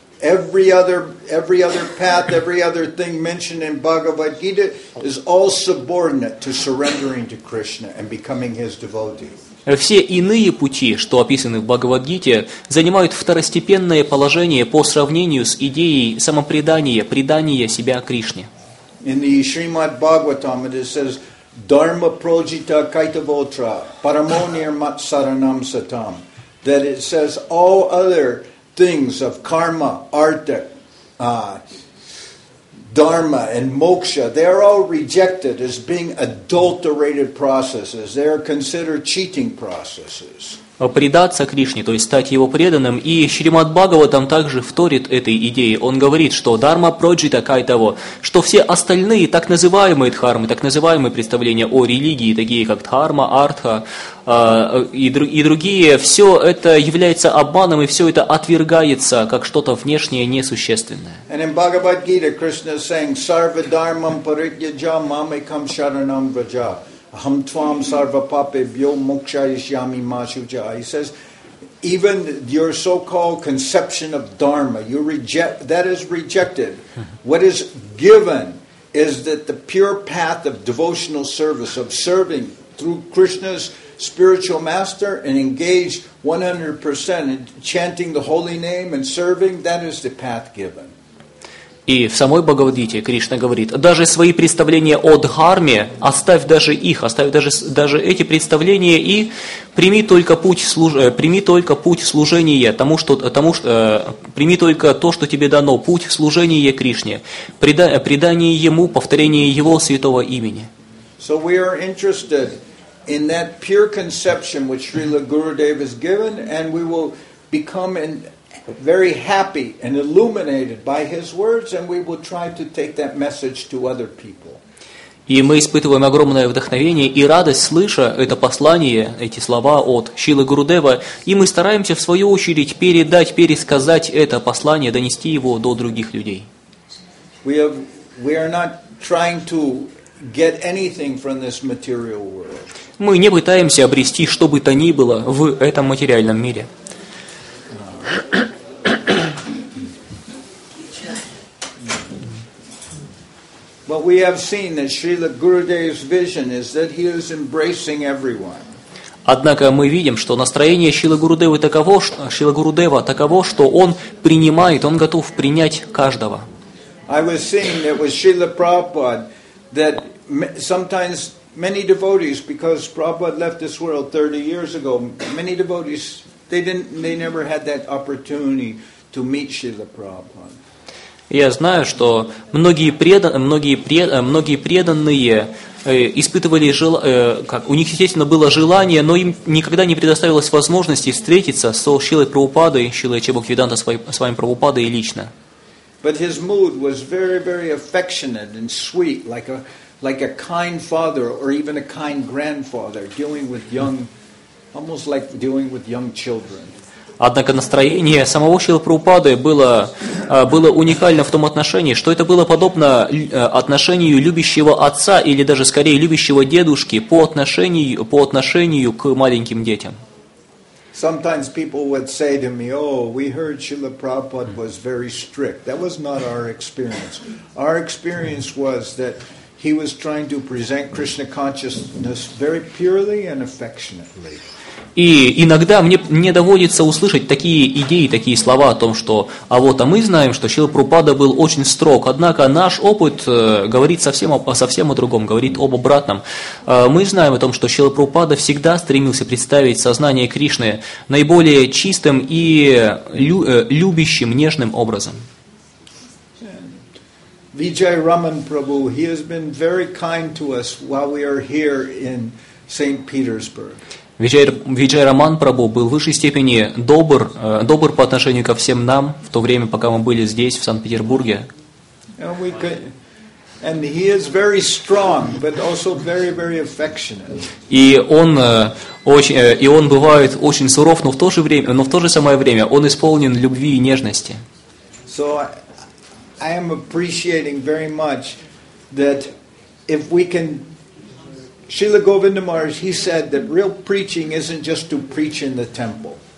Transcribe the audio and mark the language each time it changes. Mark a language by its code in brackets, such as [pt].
[en] Every other path, every other thing mentioned in Bhagavad Gita is all subordinate to surrendering to Krishna and becoming his devotee. [ru] Все иные пути, что описаны в Бхагавад-гите, занимают второстепенное положение по сравнению с идеей самопредания, предания себя Кришне. [en] In the Srimad Bhagavatam it says [sa] dharma projita kaitavotra paramonir mat saranam satam, [en] that it says all other things of karma, artha, dharma and moksha, they are all rejected as being adulterated processes. They are considered cheating processes. [ru] Предаться Кришне, то есть стать его преданным, и Шримад Бхагаватам также вторит этой идее. Он говорит, что [sa] дхарма проджита кайтаво, [ru] что все остальные так называемые дхармы, так называемые представления о религии, такие как дхарма, артха и другие, все это является обманом, и все это отвергается как что-то внешнее несущественное. [en] And in Bhagavad Gita, Krishna is saying, [sa] sarva dharmam parityaja mamekam sharanam vraja. Aham tvam sarva pape bhyo mokshayishyami mashuja. [en] He says, even your so-called conception of dharma, that is rejected. What is given is that the pure path of devotional service, of serving through Krishna's spiritual master and engage 100% in chanting the holy name and serving, that is the path given. [ru] И в самой Бхагавад-гите Кришна говорит, даже свои представления о дхарме, оставь даже их, оставь даже эти представления и прими только то, что тебе дано, путь служения Кришне, предание Ему, повторение Его святого имени. [en] So we are interested in that pure conception which Srila Gurudev has given, and we will become very happy and illuminated by his words, and we will try to take that message to other people. [ru] И мы испытываем огромное вдохновение и радость, слыша это послание, эти слова от Шилы Гурудева, и мы стараемся, в свою очередь, пересказать это послание, донести его до других людей. [en] We are not trying to get anything from this material world. [ru] Мы не пытаемся обрести что бы то ни было в этом материальном мире. [en] But we have seen that Srila Gurudev's vision is that he is embracing everyone. [ru] Однако мы видим, что настроение Шрилы Гурудева таково, что он принимает, он готов принять каждого. [en] I was seeing that with Srila Prabhupada, that sometimes many devotees, because Prabhupada left this world 30 years ago, many devotees, they never had that opportunity to meet Srila Prabhupada. [ru] Я знаю, что многие преданные испытывали у них, естественно, было желание, но им никогда не предоставилось возможности встретиться со Шрилой Прабхупадой, Шрилой Чебоквиданта с вами Прабхупадой лично. [en] But his mood was very, very affectionate and sweet, like a kind father or even a kind grandfather dealing with young, almost like dealing with young children. [ru] Однако настроение самого Шрилы Прабхупады было уникально в том отношении, что это было подобно отношению любящего отца или даже скорее любящего дедушки по отношению к маленьким детям. [en] Sometimes people would say to me, "Oh, we heard Srila Prabhupada was very strict." That was not our experience. Our experience was that he was trying to present Krishna consciousness very purely and affectionately. [ru] И иногда мне доводится услышать такие идеи, такие слова о том, что мы знаем, что Шрила Прабхупада был очень строг, однако наш опыт говорит совсем о другом, говорит об обратном. Мы знаем о том, что Шрила Прабхупада всегда стремился представить сознание Кришны наиболее чистым и любящим, нежным образом. [en] Виджай Раман Прабху, he has been very kind to us while we are here in St. Petersburg. [ru] Виджай Раман Прабху был в высшей степени добр по отношению ко всем нам в то время, пока мы были здесь, в Санкт-Петербурге. И он бывает очень суров, но в то же самое время он исполнен любви и нежности. [en] So I am appreciating very much that if we can. Srila Govinda Maharaj, he said that real preaching isn't just to preach in the temple.